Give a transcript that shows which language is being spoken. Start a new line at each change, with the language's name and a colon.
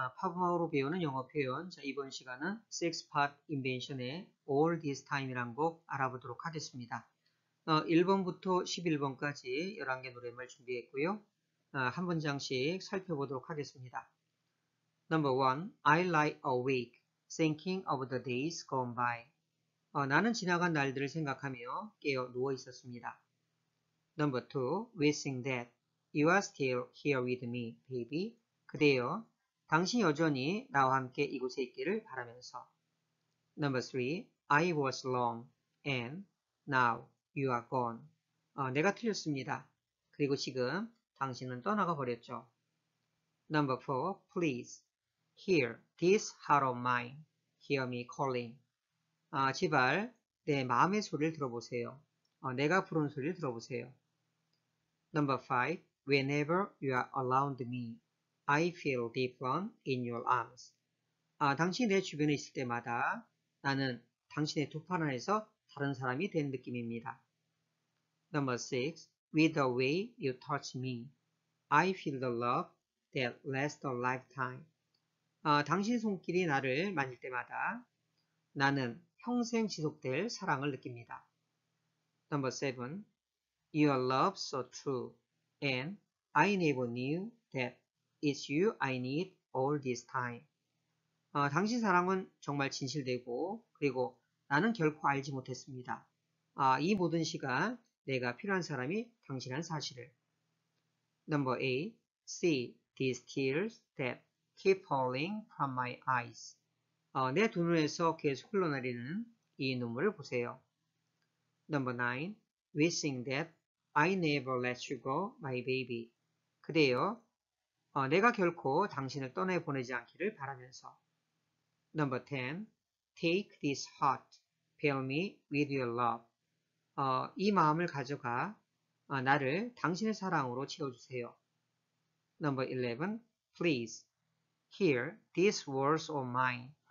Korean: 팝업으로 배우는 영어 표현. 자, 이번 시간은 Six-Part Invention의 All This Time이란 곡 알아보도록 하겠습니다. 1번부터 11번까지 11개 노랫말 준비했고요. 한 문장씩 살펴보도록 하겠습니다.
English: Number 1. I lie awake, thinking of the days gone by.
Korean: 나는 지나간 날들을 생각하며 깨어 누워 있었습니다.
English: Number 2. Wishing that. You are still here with me, baby.
Korean: 그대여, 당신 여전히 나와 함께 이곳에 있기를 바라면서.
English: Number 3. I was wrong, and now you are gone.
Korean: 내가 틀렸습니다. 그리고 지금 당신은 떠나가 버렸죠.
English: Number 4. Please hear this heart of mine. Hear me calling.
Korean: 제발 내 마음의 소리를 들어보세요. 내가 부른 소리를 들어보세요.
English: Number 5. Whenever you are around me, I feel different in your arms.
Korean: 당신이 내 주변에 있을 때마다 나는 당신의 두팔 안에서 다른 사람이 된 느낌입니다.
English: Number 6. With the way you touch me, I feel the love that lasts a lifetime.
Korean: 당신 손길이 나를 만질 때마다 나는 평생 지속될 사랑을 느낍니다.
English: Number 7. Your love so true and I never knew that it's you I need all this time.
Korean: 당신 사랑은 정말 진실되고, 그리고 나는 결코 알지 못했습니다. 이 모든 시간 내가 필요한 사람이 당신이라는 사실을.
English: Number 8. See these tears that keep falling from my eyes.
Korean: 내 눈에서 계속 흘러내리는 이 눈물을 보세요.
English: Number 9. Wishing that I never let you go, my baby.
Korean: 그대여, 내가 결코 당신을 떠내보내지 않기를 바라면서.
English: Number 10. Take this heart. Fill me with your love.
Korean: 이 마음을 가져가 나를 당신의 사랑으로 채워주세요.
English: Number 11. Please hear these words of mine.